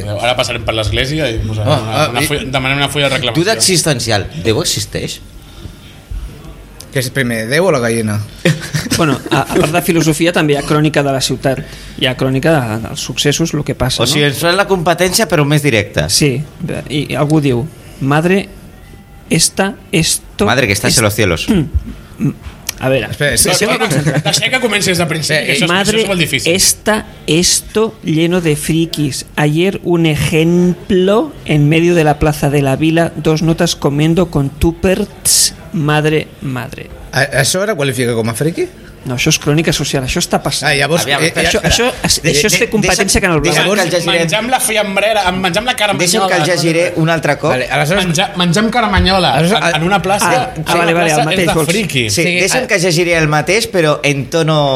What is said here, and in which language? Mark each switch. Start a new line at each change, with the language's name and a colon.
Catalan: Ara passarem per l'església i demanem una fulla de reclamació. Tu d'existencial, Déu existeix? Què és primer, Déu o la gallina? Bueno, a part de filosofia també hi ha crònica de la ciutat. Hi ha crònica dels successos, el que passa. O sigui, no? Ens fan la competència però més directa. Sí, i algú diu:
Spanish: madre, esta, esto... Madre, que estás en los cielos. A ver,
Catalan: deixem que comences de principi, que madre, això és molt difícil.
Spanish: Esta, esto, lleno de frikis. Ayer un ejemplo en medio de la plaza de la vila, dos notas comiendo con tuperts, madre, madre.
Catalan: Això ara qualifica com a friki? No, això és crònica social, això està passant. Ah, llavors, això és fer competència que en el blanc. Menjar amb la fiambrera, menjar amb la caramanyola. Deixa'm que el llegiré un altre cop. Vale, aleshores... menjar amb caramanyola en una plaça, el mateix, és de friki. Sí, deixa'm que llegiré el mateix, però en tono...